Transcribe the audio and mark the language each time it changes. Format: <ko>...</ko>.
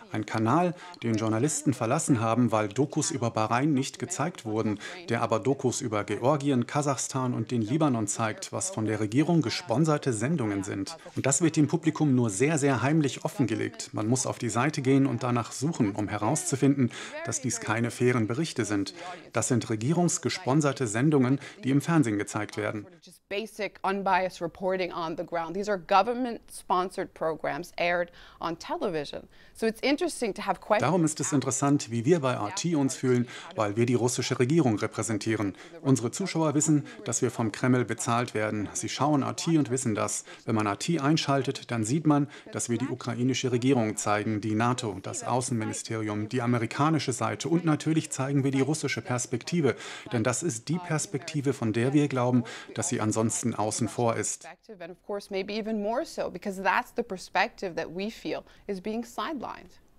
<de>Ein Kanal, den Journalisten verlassen haben, weil Dokus über Bahrain nicht gezeigt wurden, der aber Dokus über Georgien, Kasachstan und den Libanon zeigt, was von der Regierung gesponserte Sendungen sind. Und das wird dem Publikum nur sehr, sehr heimlich offengelegt. Man muss auf die Seite gehen und danach suchen, um herauszufinden, dass dies keine fairen Berichte sind. Das sind regierungsgesponserte Sendungen, die im Fernsehen gezeigt werden.</de> <en>Basic unbiased reporting on the ground. These are government-sponsored programs aired on television. So it's interesting to have questions.</en> <de>Darum ist es interessant, wie wir bei RT uns fühlen, weil wir die russische Regierung repräsentieren. Unsere Zuschauer wissen, dass wir vom Kreml bezahlt werden. Sie schauen RT und wissen das. Wenn man RT einschaltet, dann sieht man, dass wir die ukrainische Regierung zeigen, die NATO, das Außenministerium, die amerikanische Seite und natürlich zeigen wir die russische Perspektive, denn das ist die Perspektive, von der wir glauben, dass sie ansonsten außen vor ist.</de> <en>And of course maybe even more so because that's the perspective that we feel is being sidelined.</en>